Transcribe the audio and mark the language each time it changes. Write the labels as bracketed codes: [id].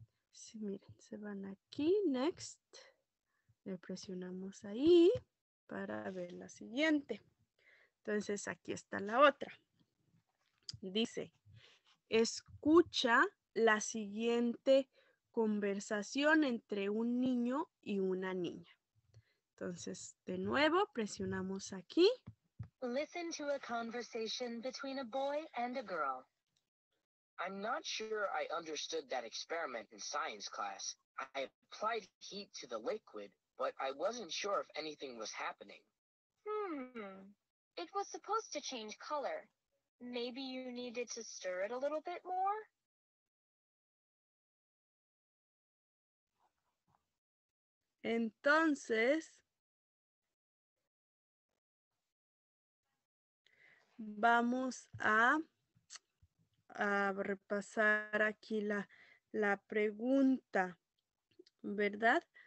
[es] Sí, miren, se van aquí, next. Le presionamos ahí para ver la siguiente. Entonces, aquí está la otra. Dice, escucha la siguiente conversación entre un niño y una niña. Entonces, de nuevo, presionamos aquí. [en] Listen to a conversation between a boy and a girl. I'm not sure I understood that experiment in science class. I applied heat to the liquid, but I wasn't sure if anything was happening. It was supposed to change color. Maybe you needed to stir it a little bit more? [es] Entonces, vamos a repasar aquí la pregunta, ¿verdad?